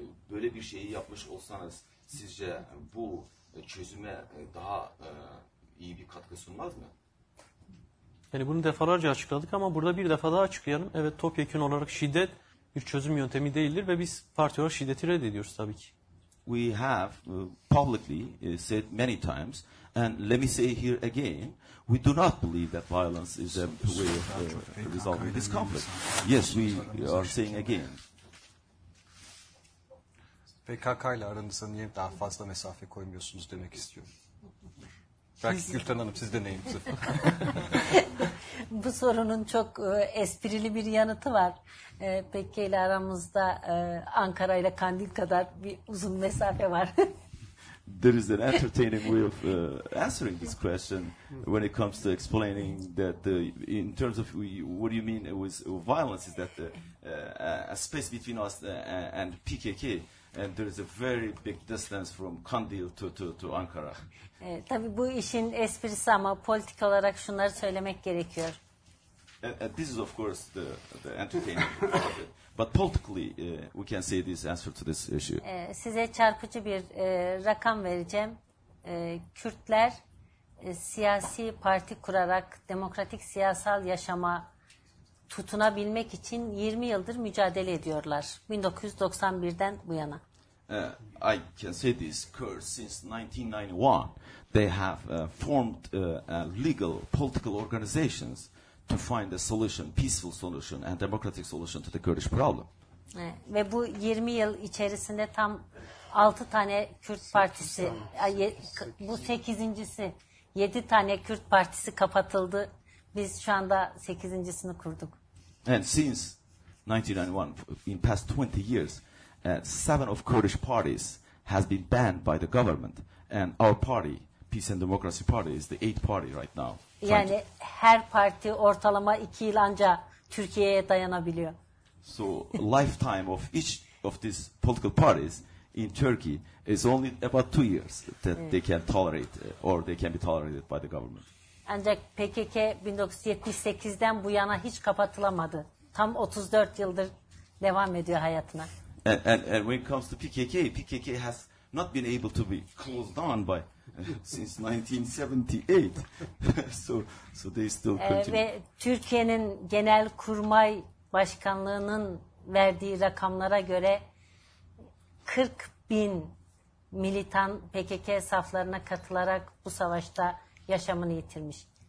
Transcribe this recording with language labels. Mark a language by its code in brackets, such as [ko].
[tr] Böyle bir şeyi yapmış olsanız sizce bu çözüme daha iyi bir katkı sunmaz mı? Yani bunu defalarca açıkladık ama burada bir defa daha açıklayalım. Evet, topyekin olarak şiddet bir çözüm yöntemi değildir ve biz parti olarak şiddeti reddediyoruz tabii ki. [en] We have publicly said many times, and let me say here again, we do not believe that violence is a way of resolving this conflict. Yes, we are saying again. [tr] PKK ile aranızda niye daha fazla mesafe koymuyorsunuz demek istiyorum. Belki Gülten Hanım siz deneyiniz. Bu sorunun çok esprili bir yanıtı var. PKK ile aramızda Ankara ile Kandil kadar bir uzun mesafe var. [en] There is an entertaining way of answering this question when it comes to explaining that in terms of what do you mean with violence is that a space between us and PKK. And there is a very big distance from Kandil to Ankara. [tr] Tabii bu işin esprisi ama politik olarak şunları söylemek gerekiyor. [en] This is of course the entertainment part of it. But politically we can say this answer to this issue. [tr] Size çarpıcı bir rakam vereceğim. Kürtler siyasi parti kurarak demokratik siyasal yaşama tutunabilmek için 20 yıldır mücadele ediyorlar. 1991'den bu yana. [en] I can say this, Kurds since 1991, they have formed legal political organizations to find a solution, peaceful solution and democratic solution to the Kurdish problem. [tr] Ve bu 20 yıl içerisinde tam 6 tane Kürt partisi, bu 8.'si, 7 tane Kürt partisi kapatıldı. Biz şu anda 8.'sini kurduk. [en] And since 1991, in past 20 years, 7 of Kurdish parties has been banned by the government. And our party, Peace and Democracy Party, is the 8th party right now. [tr] Yani her parti ortalama 2 yıl anca Türkiye'ye dayanabiliyor. [en] So lifetime of each of these political parties in Turkey is only about 2 years that they can tolerate or they can be tolerated by the government. [tr] Ancak PKK 1978'den bu yana hiç kapatılamadı. Tam 34 yıldır devam ediyor hayatına. [en] And when it comes to PKK, PKK has not been able to be closed down by since 1978. So they still continue. [tr] Ve Türkiye'nin Genelkurmay Başkanlığı'nın verdiği rakamlara göre 40 bin militan PKK saflarına katılarak bu savaşta yaşamını yitirmiş.